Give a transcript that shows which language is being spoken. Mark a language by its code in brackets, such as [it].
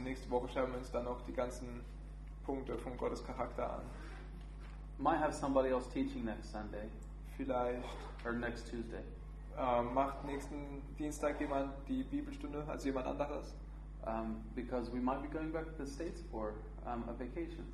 [de] Nächste Woche schauen wir uns dann noch die ganzen Punkte von Gottes Charakter an. [en] Might have somebody else teaching next Sunday. [de] Vielleicht. [en] Or next Tuesday. [de] Macht nächsten Dienstag jemand die Bibelstunde, also jemand anderes? [en] Because we might be going back to the States for a vacation.